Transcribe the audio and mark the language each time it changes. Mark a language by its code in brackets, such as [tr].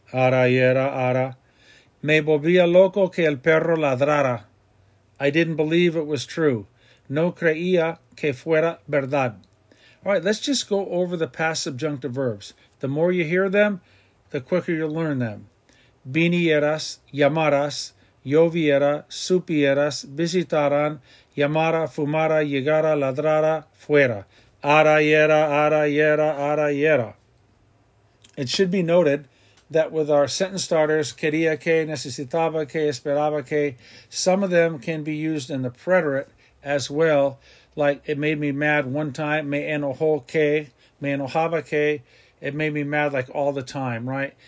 [es] Ara, yera, ara. Me volvía loco que el perro ladrara. [en] I didn't believe it was true. [es] No creía que fuera verdad. [en] All right, let's just go over the past subjunctive verbs. The more you hear them, the quicker you'll learn them. [es] Vinieras, llamaras, lloviera, supieras, visitaran, llamara, fumara, llegara, ladrara, fuera. Ara, yera, ara, yera, ara, yera. [en] It should be noted that with our sentence starters, [es] quería que, necesitaba que, esperaba que, [en] some of them can be used in the preterite as well. Like, it made me mad one time, [es] me enojó que, me enojaba que, [en] it made me mad like all the time, right?